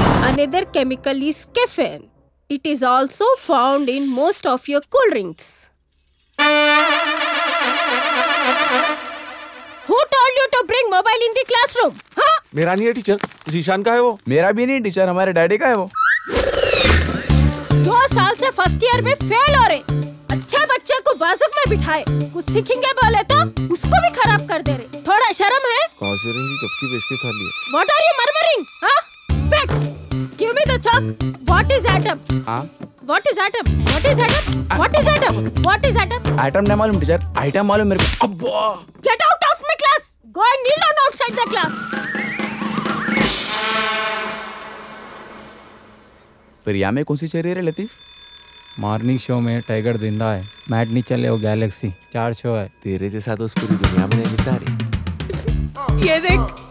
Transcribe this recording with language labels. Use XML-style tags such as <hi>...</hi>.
<en>Another chemical is caffeine. It is also found in most of your cool drinks. Who told you to bring mobile in the classroom? Huh?</en> <hi>मेरा नहीं है teacher, Zeeshan का है वो। मेरा भी नहीं टीचर, हमारे डैडी का है वो। 2 साल से फर्स्ट ईयर में फेल हो रहे। अच्छे बच्चे को बाजुक में बिठाए, कुछ सीखेंगे बोले तो उसको भी खराब कर दे रहे। थोड़ा शर्म है। कौन सी रिंग बेच के खा लिए?</hi> <en>What are you murmuring? Huh? Fact. Give me the chalk. What is atom? What is atom? What is atom? What is atom? What is atom?</en> <hi>Atom नहीं मालूम टीचर, item मालूम मेरे को। अब्बा।</hi> <en>Get out of my class. Go and kneel on outside the class.</en> <hi>प्रिया में कौन सी चरित्र लेती? मॉर्निंग शो में टाइगर जिंदा है, मैट नहीं चले वो गैलेक्सी 4 शो है। तेरे जैसा तो पूरी दुनिया में नहीं दिखता रे। ये देख।</hi>